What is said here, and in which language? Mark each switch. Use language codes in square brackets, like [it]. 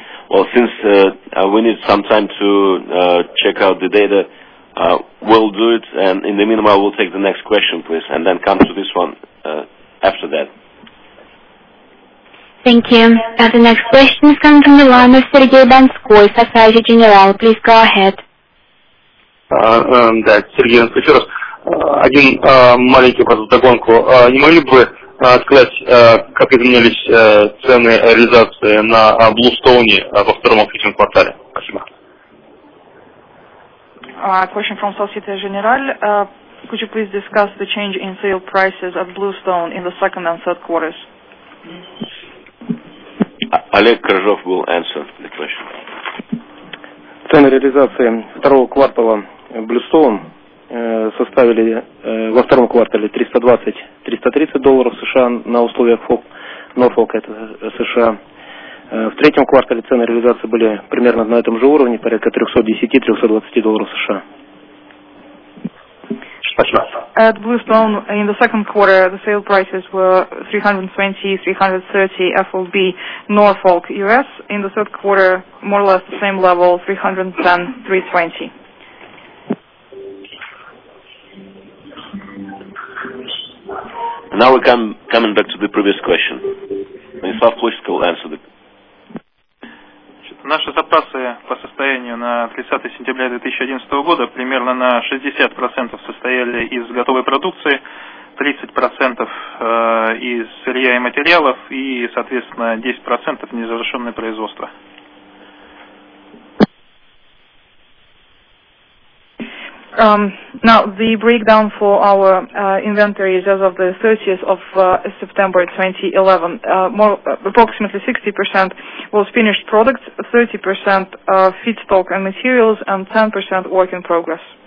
[en] Well, since we need some time to check out the data, we'll do it, and in the meanwhile, we'll take the next question, please, and then come to this one after that. Thank you. And the next question is coming from the line of Sergey Banskoy, Societe Generale. Please go ahead. [ru] Сергей, еще раз. Один маленький вопрос в догонку. Не могли бы сказать, как изменились цены реализации на Bluestone во втором и третьем квартале? Спасибо. [en] Question from Societe Generale. Could you please discuss the change in sale prices at Bluestone in the second and third quarters? Олег Крыжов will answer the question. [ru] Цены реализации второго квартала Bluestone составили во втором квартале $320-$330 США на условиях Норфолк, это США. В третьем квартале цены реализации были примерно на этом же уровне, порядка $310-$320 США. [en] At Bluestone, in the second quarter, the sale prices were $320-$330 FOB Norfolk US. In the third quarter, more or less the same level, $310-$320. Now we come coming back to the previous question. Станислав Площенко will answer the question. [ru] Наши запасы по состоянию на 30 сентября 2011 года примерно на 60% состояли из готовой продукции, 30% из сырья и материалов и, соответственно, 10% незавершенное производство. [en] Now, the breakdown for our inventories as of the 30th of September 2011, approximately 60% was finished products, 30% feedstock and materials, and 10% work in progress.